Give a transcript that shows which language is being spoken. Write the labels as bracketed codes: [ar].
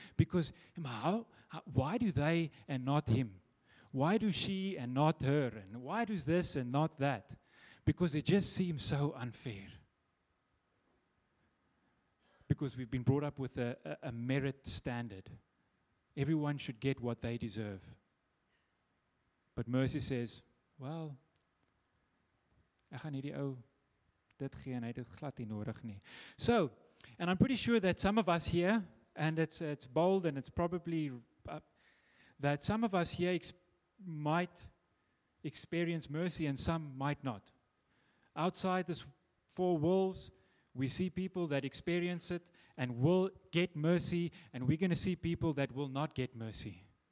[en] Because why do they and not him? Why do she and not her? And why does this and not that? Because it just seems so unfair. Because we've been brought up with a merit standard. Everyone should get what they deserve. But mercy says, well, [af] ek gaan hierdie ou dit gee en hy het glad nie nodig nie. [en] So, and I'm pretty sure that some of us here, and it's bold and it's probably that some of us here might experience mercy and some might not. Outside this four walls, we see people that experience it and will get mercy, and we're going to see people that will not get mercy.